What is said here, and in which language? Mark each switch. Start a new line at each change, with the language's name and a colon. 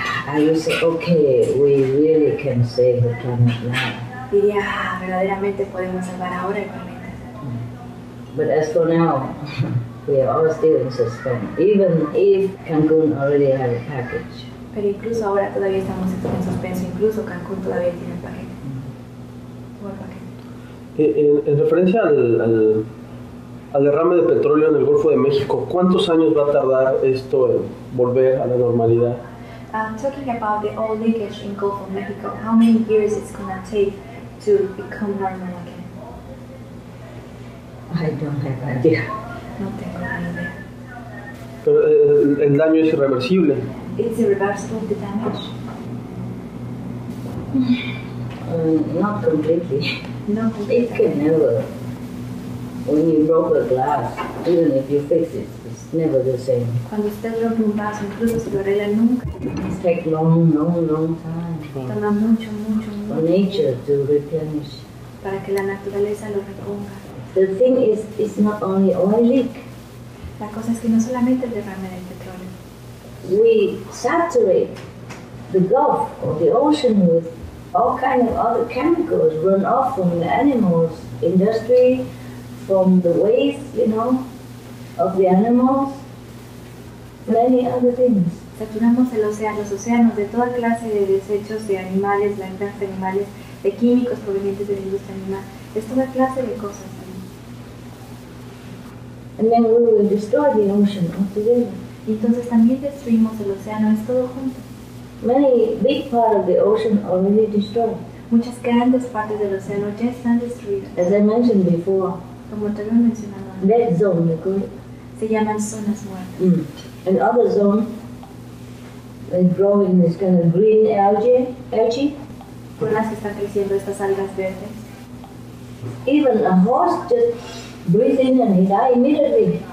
English: I will say, okay, we really can save the planet now.
Spanish: Diría, verdaderamente podemos salvar ahora el planeta.
English: But as for now, we are all still in suspense. Even if Cancun already had a package.
Spanish: Pero incluso ahora todavía estamos en suspenso, incluso Cancún todavía tiene el paquete. En referencia al derrame de petróleo en el Golfo de México, ¿cuántos años va a tardar esto en volver a la normalidad?
English: Talking about the oil leakage in Gulf of Mexico, how many years it's going to take to become normal again? I don't have idea.
Spanish: No tengo ni idea. Pero el daño es irreversible.
English: It's irreversible, the damage? Not completely. No, completely. It can never. When you broke a glass, even if you fix it, it's never the same.
Spanish: Cuando usted rompe un vaso, incluso si lo arregla nunca.
English: It takes long time.
Spanish: Toma mucho.
English: For nature to replenish.
Spanish: Para que la naturaleza lo reponga.
English: The thing is, it's not only oil leak.
Spanish: La cosa es que no solamente el derrame del petróleo.
English: We saturate the Gulf or the ocean with all kinds of other chemicals run off from the animals, industry, from the waste, you know, of the animals, many other things.
Spanish: Saturamos el océano, los océanos de toda clase de desechos de animales, la industria de animales, de químicos provenientes de la industria animal. Es toda clase de cosas.
English: And then we will destroy the ocean altogether.
Spanish: Y entonces también destruimos el océano, es todo junto.
English: Many big part of the ocean already destroyed.
Spanish: Muchas grandes partes del océano ya están destruidas.
English: As I mentioned before.
Spanish: Como te había mencionado antes.
English: Dead zone, you call it.
Spanish: Se llaman zonas muertas. Mm.
English: And other zone, they grow in this kind of green algae.
Spanish: Por las que están creciendo estas algas verdes.
English: Even a horse just breathe in and he died immediately.